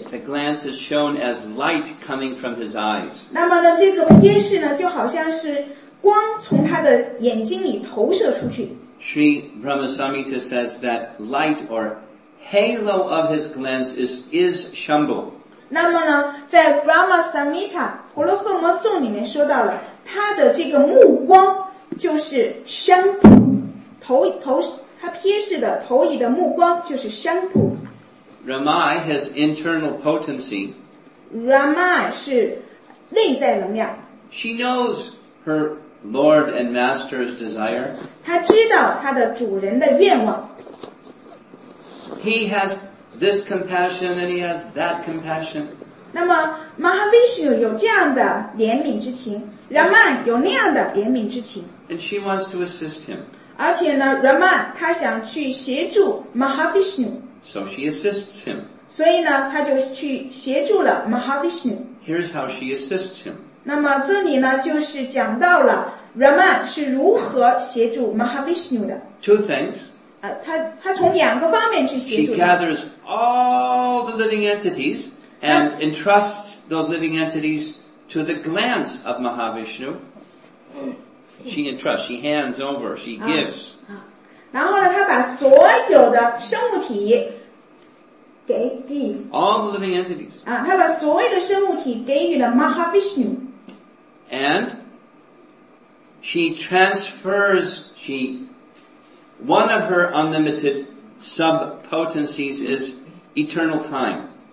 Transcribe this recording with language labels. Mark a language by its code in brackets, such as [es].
[en] The glance is shown as light coming from his eyes. [zh] 那么呢这个瞥视呢就好像是光从他的眼睛里投射出去。 [en] Sri Brahmasamhita says that light or halo of his glance is Shambhu. [zh] 那么呢在 Brahma Samhita 婆罗诃摩颂里面说到了他的这个目光就是 Shambhu 他瞥视的投影的目光就是 Shambhu [en] Ramai has internal potency [zh] Ramai 是内在能量 [en] She knows her lord and master's desire [zh] 他知道他的主人的愿望 [en] He has this compassion and he has that compassion. [zh] 那么 Mahavishnu 有这样的怜悯之情 Raman 有那样的怜悯之情 [en] And she wants to assist him. [zh] 而且呢 Raman 他想去协助 Mahavishnu. [en] So she assists him. [zh] 所以呢他就去协助了 Mahavishnu. [en] Here's how she assists him. [zh] 那么这里呢就是讲到了 Raman 是如何协助 Mahavishnu 的 [en] Two things. [zh] 他从两个方面去协助。 [en] She gathers all the living entities and entrusts those living entities to the glance of Mahavishnu. She entrusts, she hands over, she gives. [zh] 然后呢他把所有的生物体给 [en] All the living entities. [zh] 他把所有的生物体给予了 Mahavishnu. [en] And she transfers, sheOne of her unlimited sub-potencies is eternal time.